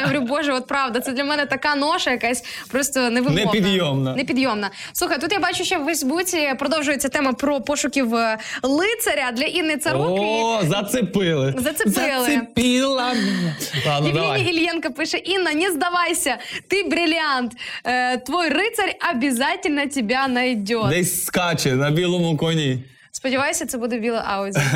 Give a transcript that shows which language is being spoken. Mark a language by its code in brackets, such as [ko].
[uk] Я говорю, Боже, от правда, це для мене така ноша якась просто невимовна. Непідйомна. Слухай, тут я бачу, що в Фейсбуці продовжується тема про пошуків лицаря для Інни Царук. [ru] Зацепила. [uk] Євгенія Ільєнко пише, Інна, не здавайся, ти бриллиант. [ru] Твой рицарь обязательно тебя найдет. [uk] Десь скаче на білому коні. Сподіваюся, це буде біле Ауді.